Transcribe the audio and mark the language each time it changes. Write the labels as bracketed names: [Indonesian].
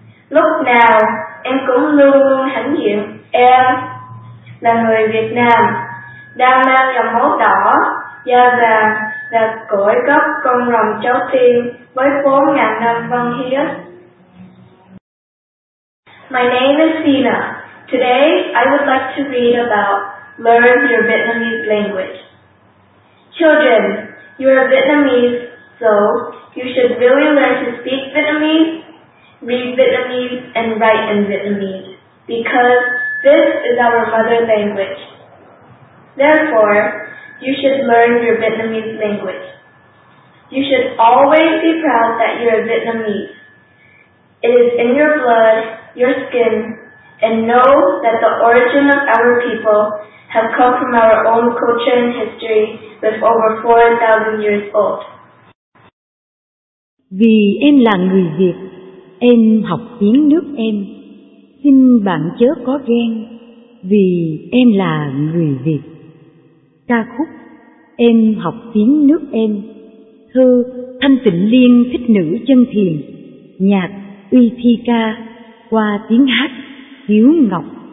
[Vietnamese] Lúc nào em cũng luôn luôn hãnh diện em là người Việt Nam, đang mang dòng máu đỏ, da vàng và cõi gốc con rồng cháu tiên với 4.000 năm văn hiến. [English] My name is Sina. Today I would like to read about Learn Your Vietnamese Language. Children, you are Vietnamese, so you should really learn to speak Vietnamese, read Vietnamese, and write in Vietnamese, because this is our mother language. Therefore, you should learn your Vietnamese language. You should always be proud that you are Vietnamese. It is in your blood, your skin, and know that the origin of our people have come from our own culture and history with over 4,000 years old. [Vietnamese] Vì em là người Việt, em học tiếng nước em, xin bạn chớ có ghen, vì em là người Việt. Ca khúc Em học tiếng nước em, thơ Thanh Tịnh Liên Thích Nữ Chân Thiền, nhạc Uy Thi Ca, qua tiếng hát Hiếu Ngọc.